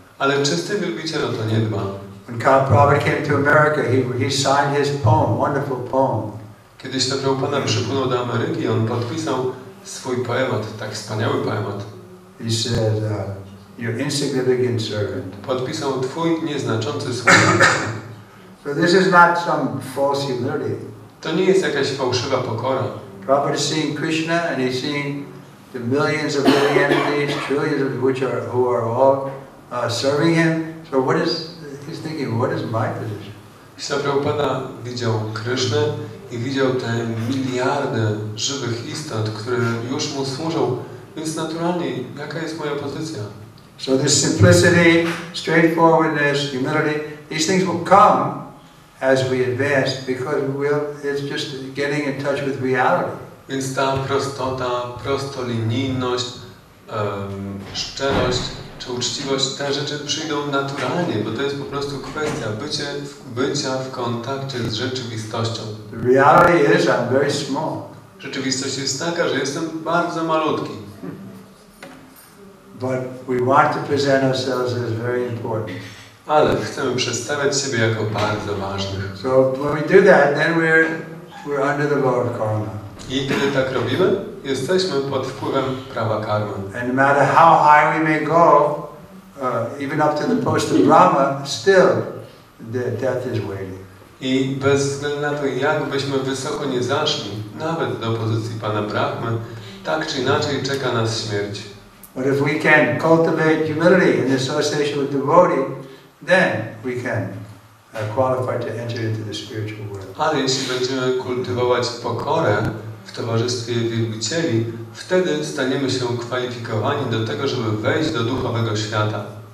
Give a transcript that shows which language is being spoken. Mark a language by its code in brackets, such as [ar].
[pl] Ale czysty wielbiciel o to nie dba. [en] When Prabhupada came to America, he signed his poem, wonderful poem. [pl] Kiedyś to Prabhupada przypłynął do Ameryki, on podpisał swój poemat, tak wspaniały poemat. [en] He said, your insignificant servant. [pl] Podpisał twój nieznaczący sługa. [en] So this is not some false humility. [pl] To nie jest jakaś fałszywa pokora. [en] Prabhupada seeing Krishna and he seeing the millions of living entities, trillions of which are who are all serving him. So what is he's thinking? What is my position? [pl] Śla Prabhupada widział Krysznę i widział te miliardy żywych istot, które już mu służą. Więc naturalnie, jaka jest moja pozycja? [en] So this simplicity, straightforwardness, humility, these things will come as we advance because it's just getting in touch with reality. [pl] Więc ta prostota, prostolinijność, szczerość czy uczciwość, te rzeczy przyjdą naturalnie, bo to jest po prostu kwestia bycia w kontakcie z rzeczywistością. [en] The reality is I'm very small. [pl] Rzeczywistość jest taka, że jestem bardzo malutki. [en] But we want to present ourselves as very important. [pl] Ale chcemy przedstawiać siebie jako bardzo ważnych. [en] So when we do that, then we're under the law of karma. [pl] I kiedy tak robimy, jesteśmy pod wpływem prawa karmy. [en] And no matter how high we may go, even up to the post of Brahma, still the death is waiting. [pl] I bez względu na to, jakbyśmy wysoko nie zaszli, nawet do pozycji pana Brahmy, tak czy inaczej czeka nas śmierć. [en] But if we can cultivate humility in association with devotee, then we can qualify to enter into the spiritual world. [pl] Ale jeśli będziemy kultywować pokorę w towarzystwie wielbicieli, wtedy staniemy się kwalifikowani do tego, żeby wejść do duchowego świata.